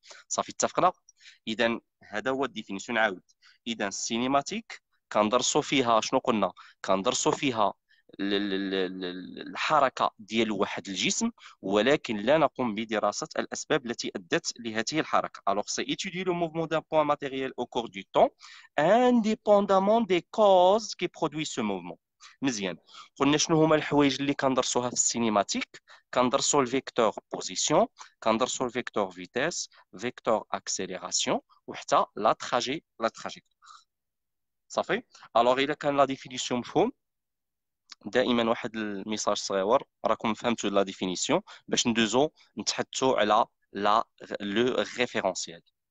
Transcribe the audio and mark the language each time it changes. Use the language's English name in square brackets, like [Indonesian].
[Arabic] صافي اتفقنا؟ إذا هذا هو الديفينيسيون. عاود، إذا السينيماتيك كندرسوا فيها شنو قلنا؟ كندرسوا فيها الحركة ديال واحد الجسم، ولكن لا نقوم بدراسة الأسباب التي أدت لهذه الحركة. [French] Alors, c'est étudier le mouvement d'un point matériel au cours du temps, indépendamment des causes qui produisent ce mouvement. [Arabic] مزيان، قلنا شنو هما الحوايج اللي كندرسوها في السينيماتيك؟ كندرسو الفيكتور بوزيسيون، كندرسو الفيكتور فيتاس، فيكتور اكسيليراسيون، وحتى لا تراجيكتوار. صافي؟ Alors, إذا كان لا ديفينيسيون مفهوم، دائما واحد الميساج صغير، راكم فهمتوا لا ديفينيسيون، باش ندوزو نتحدثوا على لا لو ريفيرونسيال.